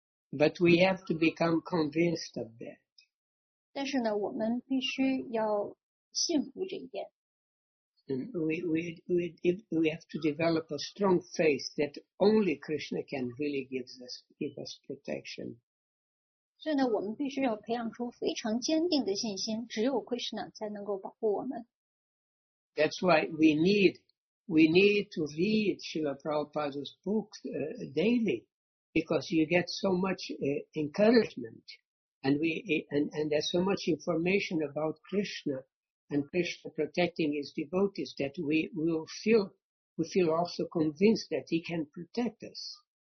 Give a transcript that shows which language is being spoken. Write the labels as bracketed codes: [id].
[en] But we have to become convinced of that. [zh] 但是呢，我们必须要信服这一点。 [en] And we have to develop a strong faith that only Krishna can really give us protection. [zh] 所以呢，我们必须要培养出非常坚定的信心，只有 Krishna 才能够保护我们。 [en] That's why we need to read Srila Prabhupada's books daily, because you get so much encouragement, and there's so much information about Krishna and Krishna protecting his devotees that we feel also convinced that he can protect us.